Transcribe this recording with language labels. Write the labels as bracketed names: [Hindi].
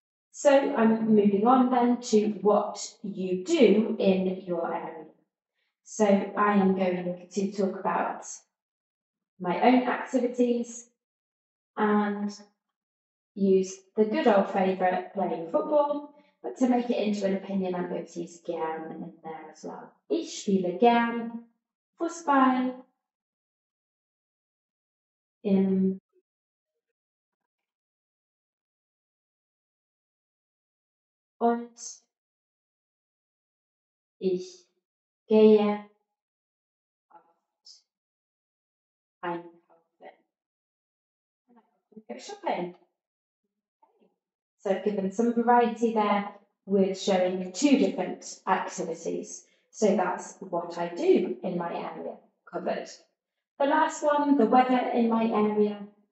[English] So I'm moving on then to what you do in your area. So I am going to talk about my own activities and use the good old favourite, playing football. But to make it into an opinion, I'm going to use gern in there as well. [German] Ich spiele gern Fußball im und ich gehe einkaufen. [English] And I often go shopping. So I've given some variety there with showing two different activities. So that's what I do in my area covered. The last one, the weather in my area.